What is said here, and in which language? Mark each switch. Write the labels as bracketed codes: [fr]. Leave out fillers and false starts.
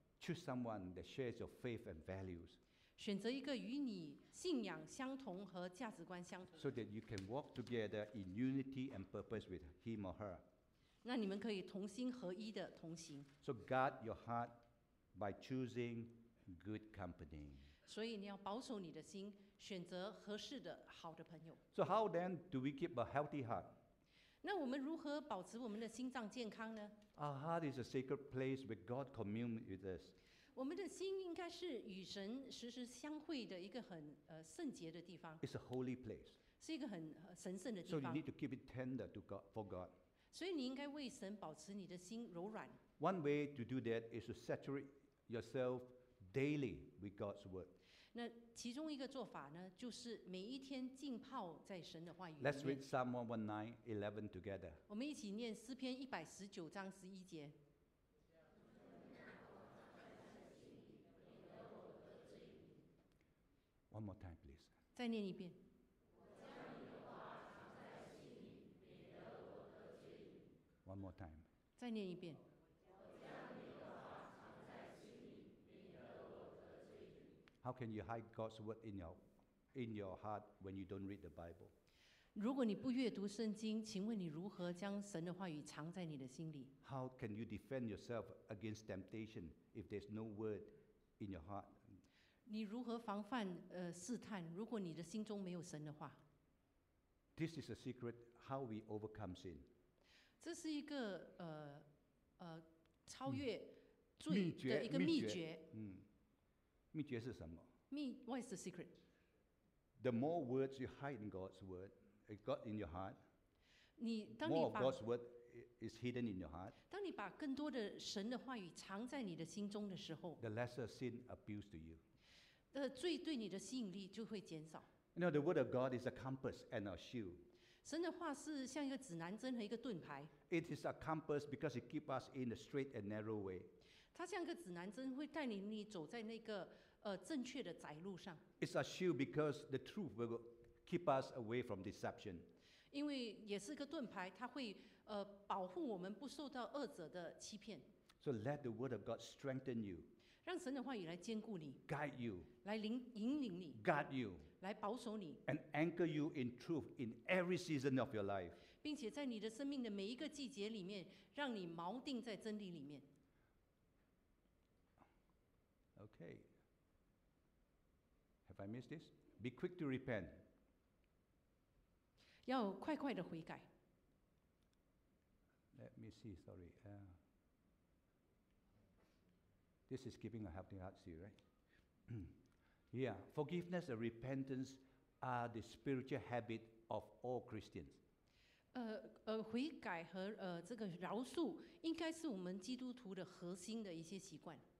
[en] Choose someone that shares your faith and values. [zh] 选择一个与你信仰相同和价值观相同。 [en] So that you can walk together in unity and purpose with him or her. [zh] 那你们可以同心合一的同行。 [en] So guard your heart by choosing good company. [zh] 所以你要保守你的心，选择合适的好的朋友。 [en] So how then do we keep a healthy heart? [zh] 那我们如何保持我们的心脏健康呢？ [en] Our heart is a sacred place where God communes with us. [zh] 我们的心应该是与神时时相会的一个很圣洁的地方。 [en] It's a holy place. [zh] 是一个很神圣的地方。 [en] So you need to keep it tender to God, for God. [zh] 所以你应该为神保持你的心柔软。 [en] One way to do that is to saturate yourself daily with God's word. [zh] 那其中一个做法呢，就是每一天浸泡在神的话语里面。 [en] Let's read Psalm 119:11 together. [zh] 我们一起念诗篇119章11节。 [en] One more time, please. [zh] 再念一遍。我将你的话藏在心里，免得我得罪。 [en] One more time. [zh] 再念一遍。我将你的话藏在心里，免得我得罪。 [en] How can you hide God's word in your heart when you don't read the Bible? [zh] 如果你不阅读圣经，请问你如何将神的话语藏在你的心里？ [en] How can you defend yourself against temptation if there's no word in your heart? [zh] 你如何防范试探？如果你的心中没有神的话 [en] ，This is a secret how we overcome sin. [zh] 这是一个超越罪的一个秘诀。秘诀是什么 [en] ？What is the secret? The more words you hide in God's word, it got in your heart. [zh] 你当你把 [en] more of God's word is hidden in your heart. [zh] 当你把更多的神的话语藏在你的心中的时候 [en] ，The lesser sin appeals to you. [zh] 罪对你的吸引力就会减少。 [en] You know, the word of God is a compass and a shield. [zh] 神的话是像一个指南针和一个盾牌。 [en] It is a compass because it keeps us in the straight and narrow way. [zh] 它像一个指南针，会带领你走在那个正确的窄路上。 [en] It's a shield because the truth will keep us away from deception. [zh] 因为也是个盾牌，它会保护我们不受到恶者的欺骗。 [en] So let the word of God strengthen you. [zh] 让神的话语来坚固你。 [en] Guide you. [zh] 来引领你。 [en] Guard you. [zh] 来保守你。 [en] And anchor you in truth in every season of your life. [zh] 并且在你的生命的每一个季节里面，让你锚定在真理里面。 [en] Okay. Have I missed this? Be quick to repent. [zh] 要快快的悔改。 [en] Let me see. Sorry. This is giving a helping heart to you, right? Yeah, forgiveness and repentance are the spiritual habit of all Christians. [zh] 悔改和这个饶恕应该是我们基督徒的核心的一些习惯。